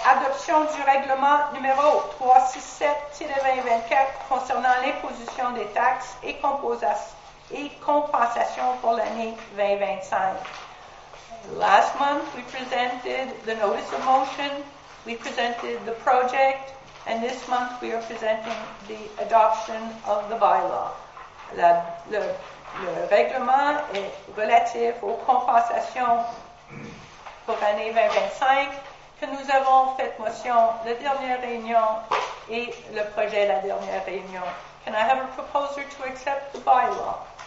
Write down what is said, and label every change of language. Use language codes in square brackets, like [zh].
[fr] Adoption du règlement numéro 367-2024 concernant l'imposition des taxes et compensations pour l'année 2025. [en] Last month, we presented the notice of motion. We presented the project, and this month we are presenting the adoption of the bylaw. [fr] Le règlement est relatif aux compensations pour l'année 2025 que nous avons fait motion la dernière réunion et le projet la dernière réunion. [en] Can I have a proposer to accept the bylaw?